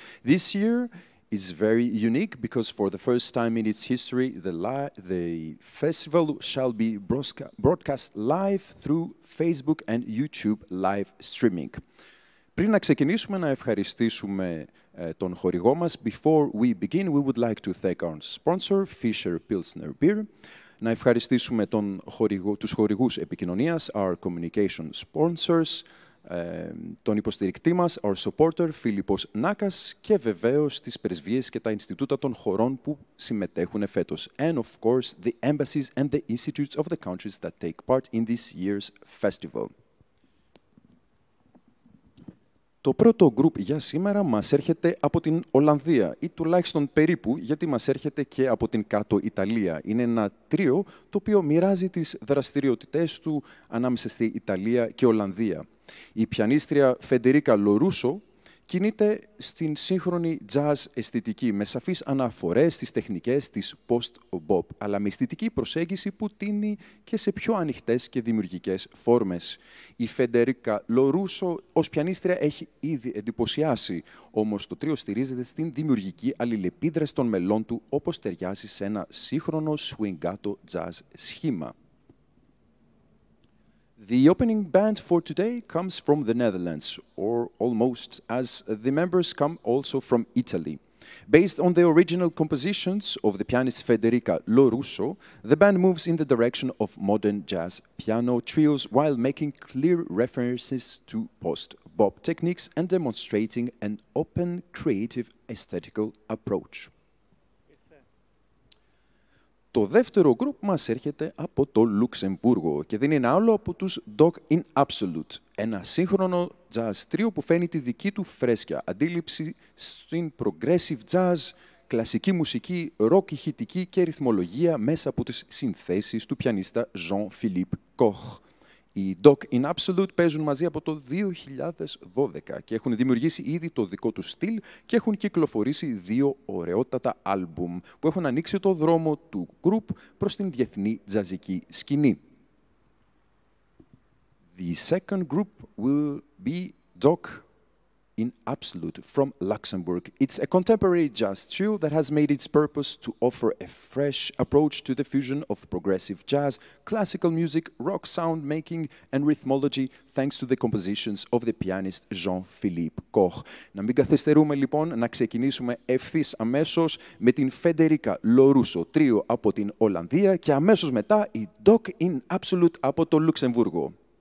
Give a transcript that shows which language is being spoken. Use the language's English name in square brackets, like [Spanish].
[English] This year is very unique because for the first time in its history, the festival shall be broadcast live through Facebook and YouTube live streaming. [Greek] Πριν να ξεκινήσουμε να ευχαριστήσουμε τον χορηγό μας, [English] before we begin, we would like to thank our sponsor, Fisher Pilsner Beer, [Greek] να ευχαριστήσουμε τους χορηγούς επικοινωνίας, [English] our communication sponsors, [Greek] τον υποστηρικτή μας, [English] our supporter, [Greek] Φίλιππος Νάκας, και βεβαίως τις πρεσβείες και τα Ινστιτούτα των χωρών που συμμετέχουν φέτος. [English] And of course, the embassies and the institutes of the countries that take part in this year's festival. [Greek] Το πρώτο γκρουπ για σήμερα μας έρχεται από την Ολλανδία, ή τουλάχιστον περίπου, γιατί μας έρχεται και από την κάτω Ιταλία. Είναι ένα τρίο το οποίο μοιράζει τις δραστηριότητές του ανάμεσα στη Ιταλία και Ολλανδία. Η πιανίστρια Φεντερίκα Λορούσο κινείται στην σύγχρονη jazz αισθητική, με σαφείς αναφορές στις τεχνικές της post-bop, αλλά με αισθητική προσέγγιση που τίνει και σε πιο ανοιχτές και δημιουργικές φόρμες. Η Φεντερίκα Λορούσο ως πιανίστρια έχει ήδη εντυπωσιάσει, όμως το τρίο στηρίζεται στην δημιουργική αλληλεπίδραση των μελών του, όπως ταιριάζει σε ένα σύγχρονο swingato jazz σχήμα. [English] The opening band for today comes from the Netherlands, or almost, as the members come also from Italy. Based on the original compositions of the pianist Federica Lorusso, the band moves in the direction of modern jazz piano trios while making clear references to post-bop techniques and demonstrating an open, creative, aesthetical approach. [Greek] Το δεύτερο γκρουπ μας έρχεται από το Λουξεμβούργο και δεν είναι άλλο από τους Dog in Absolute, ένα σύγχρονο jazz τρίο που φαίνει τη δική του φρέσκια αντίληψη στην progressive jazz, κλασική μουσική, rock ηχητική και ρυθμολογία μέσα από τις συνθέσεις του πιανίστα Jean-Philippe Koch. Οι Dog in Absolute παίζουν μαζί από το 2012 και έχουν δημιουργήσει ήδη το δικό τους στυλ και έχουν κυκλοφορήσει δύο ωραιότατα άλμπουμ που έχουν ανοίξει το δρόμο του γκρουπ προς την διεθνή τζαζική σκηνή. [English] The second group will be Dog in Absolute from Luxembourg. It's a contemporary jazz trio that has made its purpose to offer a fresh approach to the fusion of progressive jazz, classical music, rock sound making and rhythmology thanks to the compositions of the pianist Jean-Philippe Koch. [Greek] Να μην καθυστερούμε λοιπόν, να ξεκινήσουμε ευθύς αμέσως με την Federica Lorusso, τρίο από την Ολλανδία, και αμέσως μετά η Dog in Absolute από το Λουξεμβούργο.